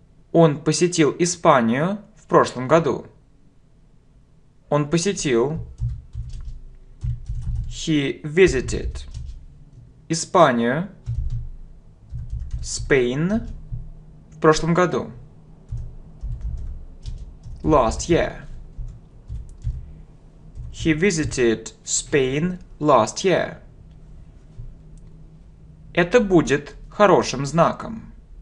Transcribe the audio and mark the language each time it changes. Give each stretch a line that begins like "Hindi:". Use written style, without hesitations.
Russian: Он посетил Испанию в прошлом году. Он посетил.
English: He visited
Russian: Испанию, Spain, в прошлом году.
English: Last year. He visited Spain last year.
Russian: Это будет хорошим знаком.